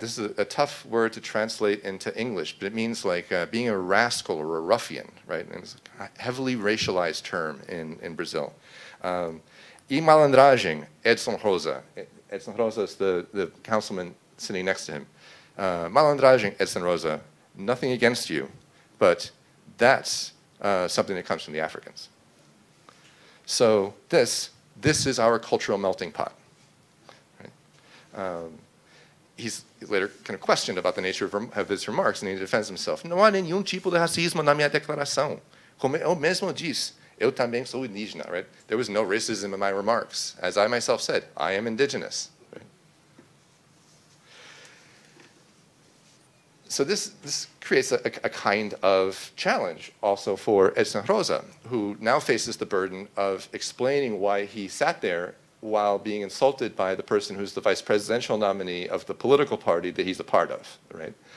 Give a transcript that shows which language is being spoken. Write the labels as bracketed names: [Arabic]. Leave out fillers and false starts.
[English] This is a tough word to translate into English, but it means like being a rascal or a ruffian, right? And it's a heavily racialized term in Brazil. [Portuguese] E malandragem, Edson Rosa. [English] Edson Rosa is the councilman sitting next to him. Malandragem, Edson Rosa, nothing against you, but that's something that comes from the Africans. So this is our cultural melting pot. Right? He's later kind of questioned about the nature of his remarks, and he defends himself. [Portuguese] Não há nenhum tipo de racismo na minha declaração. Como eu mesmo disse, eu também sou indígena, right? [English] There was no racism in my remarks. As I myself said, I am indigenous. Right? So this creates a kind of challenge also for Edson Rosa, who now faces the burden of explaining why he sat there while being insulted by the person who's the vice presidential nominee of the political party that he's a part of, right?